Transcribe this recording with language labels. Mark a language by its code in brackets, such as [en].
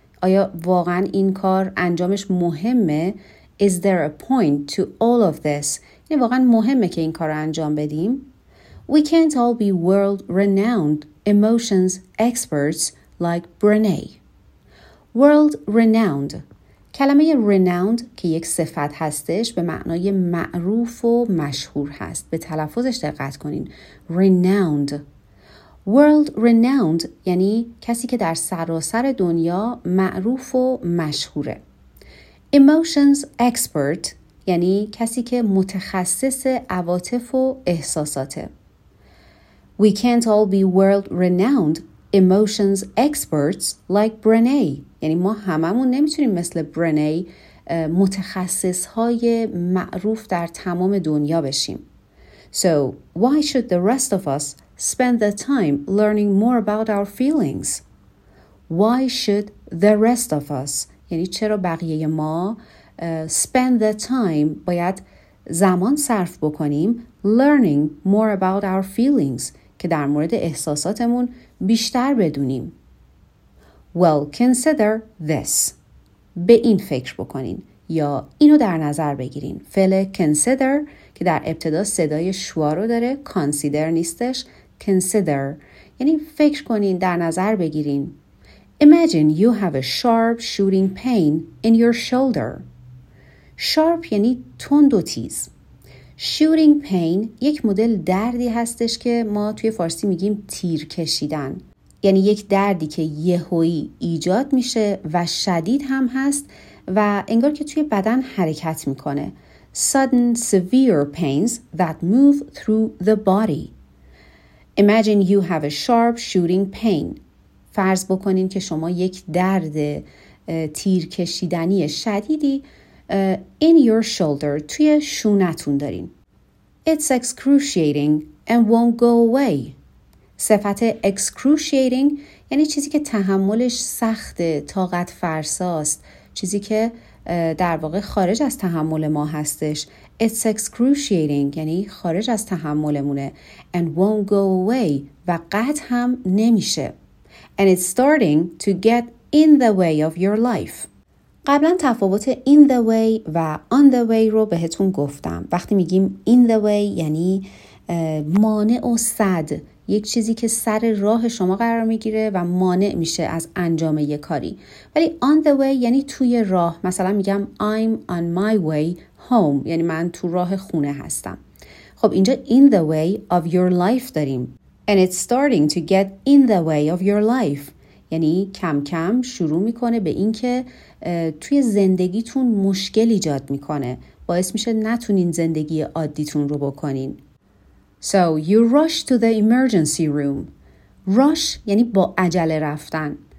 [fa] آیا واقعا این کار انجامش مهمه؟ [en] Is there a point to all of this? [fa] یعنی واقعا مهمه که این کار رو انجام بدیم؟ [en] We can't all be world-renowned emotions experts like Brené. World-renowned. [fa] کلمه renowned که یک صفت هستش به معنای معروف و مشهور هست. به تلفظش دقت کنین. Renowned. [en] World-renowned [fa] یعنی کسی که در سراسر دنیا معروف و مشهوره. [en] Emotions expert [fa] یعنی کسی که متخصص عواطف و احساساته. [en] We can't all be world-renowned emotions experts like Brené. [fa] یعنی ما هممون نمیتونیم مثل Brené متخصص‌های معروف در تمام دنیا بشیم. [en] So, why should the rest of us spend the time learning more about our feelings? Why should the rest of us, [fa] یعنی چرا بقیه ما [en] spend the time, [fa] باید زمان صرف بکنیم, [en] learning more about our feelings, [fa] که در مورد احساساتمون بیشتر بدونیم. [en] Well, consider this. [fa] به این فکر بکنین یا اینو در نظر بگیرین. فعل consider که در ابتدا صدای شوا رو داره، consider نیستش، consider یعنی فکر کنین، در نظر بگیرین. [en] Imagine you have a sharp shooting pain in your shoulder. [fa] Sharp یعنی تند و تیز. Shooting pain یک مدل دردی هستش که ما توی فارسی میگیم تیر کشیدن، یعنی یک دردی که یهویی ایجاد میشه و شدید هم هست و انگار که توی بدن حرکت میکنه. [en] Sudden severe pains that move through the body. Imagine you have a sharp shooting pain. [fa] فرض بکنین که شما یک درد تیر کشیدنی شدیدی [en] in your shoulder [fa] توی شونتون دارین. [en] It's excruciating and won't go away. [fa] صفت excruciating یعنی چیزی که تحملش سخته، طاقت فرساست، چیزی که در واقع خارج از تحمل ما هستش. [en] It's excruciating [fa] یعنی خارج از تحملمونه. [en] And won't go away [fa] و قطع هم نمیشه. [en] And it's starting to get in the way of your life. [fa] قبلا تفاوت in the way و on the way رو بهتون گفتم. وقتی میگیم in the way یعنی مانع و سد، یک چیزی که سر راه شما قرار میگیره و مانع میشه از انجام یک کاری. ولی on the way یعنی توی راه. مثلا میگم [en] I'm on my way home، [fa] یعنی من تو راه خونه هستم. خب اینجا [en] in the way of your life [fa] داریم. [en] And it's starting to get in the way of your life. [fa] یعنی کم کم شروع میکنه به اینکه توی زندگیتون مشکل ایجاد میکنه، باعث میشه نتونین زندگی عادیتون رو بکنین. [en] So you rush to the emergency room. Rush [fa] یعنی با عجله رفتن.